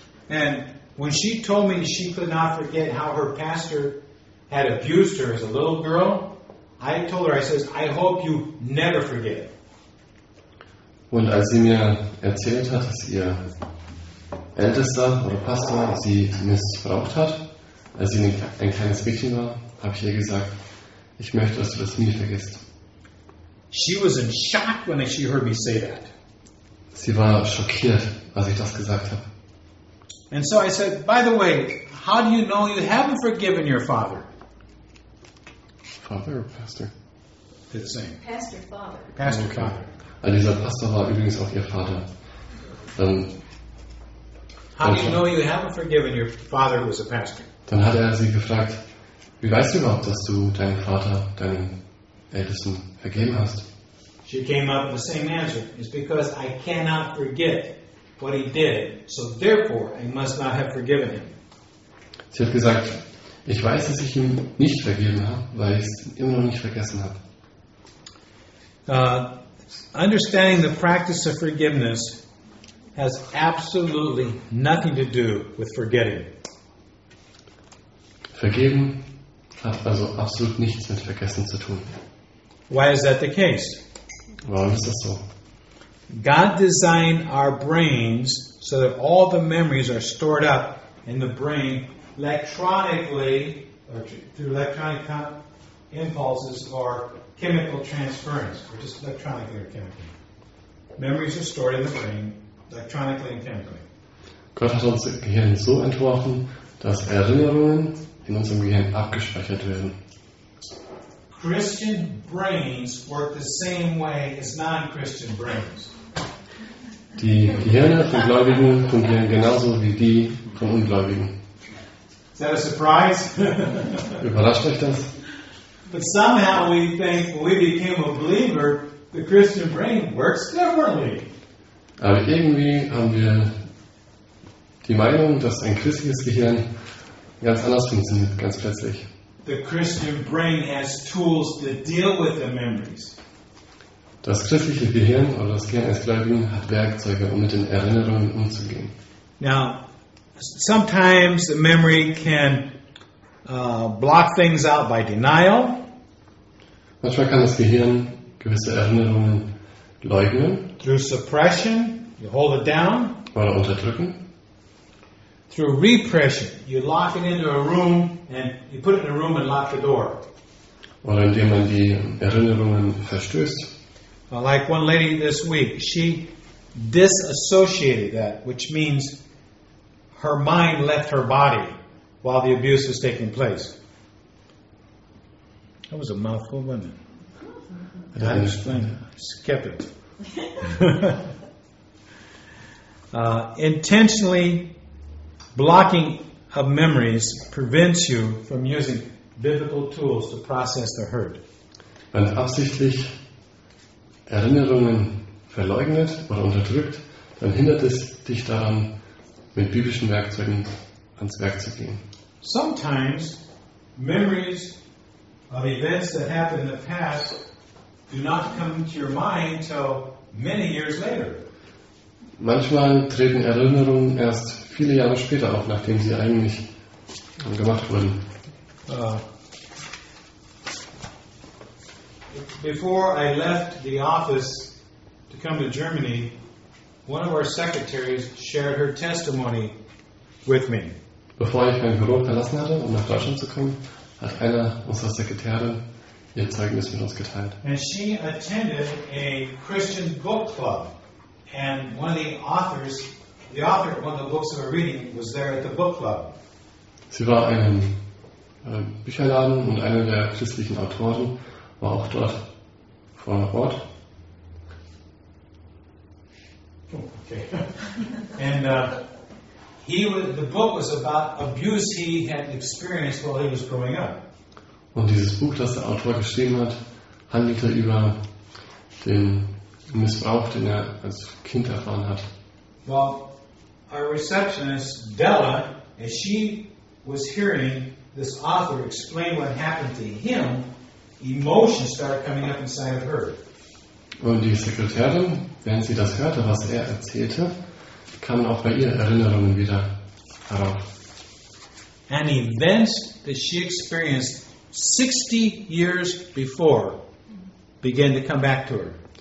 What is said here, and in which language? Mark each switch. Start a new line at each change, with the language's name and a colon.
English: And when she told me she could not forget how her pastor had abused her as a little girl, I told her, I says, I hope you never forget.
German: Und als sie mir erzählt hat, dass ihr Ältester oder Pastor sie missbraucht hat, als sie ein kleines Mädchen war, habe ich ihr gesagt, ich möchte, dass du das nie vergisst.
English: She was in shock when she heard me say that.
German: Sie war schockiert, als ich das gesagt habe.
English: And so I said, by the way, how do you know you haven't forgiven your father? Father or pastor? The same. Pastor, father. Pastor, father.
German: Also dieser Pastor war übrigens auch ihr Vater.
English: How do you know you haven't forgiven your father who was a pastor?
German: Dann hat er sie gefragt, wie weißt du überhaupt, dass du deinen Vater, deinen Ältesten, vergeben hast?
English: She came up with the same answer. It's because I cannot forget what he did, so therefore I must not have forgiven him.
German: Sie hat gesagt, ich weiß, dass ich ihm nicht vergeben habe, weil ich es immer noch nicht vergessen habe.
English: Understanding the practice of forgiveness has absolutely nothing to do with forgetting.
German: Vergeben hat also absolut nichts mit Vergessen zu tun.
English: Why is that the case?
German: Warum ist das so?
English: God designed our brains so that all the memories are stored up in the brain electronically, or through electronic impulses or chemical transference, or just electronically or chemically. Memories are stored in the brain electronically and chemically.
German: Gott hat unser Gehirn so entworfen, dass Erinnerungen in unserem Gehirn abgespeichert werden.
English: Christian brains work the same way as non-Christian brains.
German: Die Gehirne von Gläubigen funktionieren genauso wie die von Ungläubigen.
English: Is that a surprise?
German: Überrascht euch das?
English: But somehow we think when we became a believer, the Christian brain works differently.
German: Aber irgendwie haben wir die Meinung, dass ein christliches Gehirn ganz anders funktioniert, ganz plötzlich.
English: The Christian brain has tools to deal with the memories.
German: Das christliche Gehirn oder das Gehirn des Gläubigen hat Werkzeuge, um mit den Erinnerungen umzugehen.
English: Now, sometimes the memory can block things out by denial.
German: Manchmal kann das Gehirn gewisse Erinnerungen leugnen.
English: Through suppression, you hold it down.
German: Oder unterdrücken.
English: Through repression, you lock it into a room and you put it in a room and lock the door.
German: Oder indem man die Erinnerungen verstößt.
English: Like one lady this week, she disassociated that, which means her mind left her body while the abuse was taking place. That was a mouthful, wasn't it? I didn't explain it. Skip it. intentionally blocking of memories prevents you from using biblical tools to process the hurt.
German: Wenn absichtlich Erinnerungen verleugnet oder unterdrückt, dann hindert es dich daran, mit biblischen Werkzeugen ans Werk zu gehen.
English: Sometimes memories of events that happened in the past do not come to your mind till many years later.
German: Manchmal treten Erinnerungen erst viele Jahre später auf, nachdem sie eigentlich gemacht wurden.
English: Before I left the office to come to Germany, one of our secretaries shared her testimony with me.
German: Bevor ich mein Büro verlassen hatte, um nach Deutschland zu kommen, hat einer unserer Sekretäre ihr Zeugnis mit uns geteilt.
English: And she attended a Christian book club. And one of the authors, the author of one of the books we were reading, was there at the book club.
German: Sie war in einem Bücherladen und einer der christlichen Autoren war auch dort vor Ort.
English: Okay. And the book was about abuse he had experienced while he was growing up.
German: Und dieses Buch, das der Autor geschrieben hat, handelte über den Missbrauch, den er als Kind erfahren hat.
English: Well, our receptionist Della, as she was hearing this author explain what happened to him, emotions started coming up inside of her.
German: Und die Sekretärin, während sie das hörte, was er erzählte, kamen auch bei ihr Erinnerungen wieder herauf.
English: An event that she experienced 60 years before began to come back to her.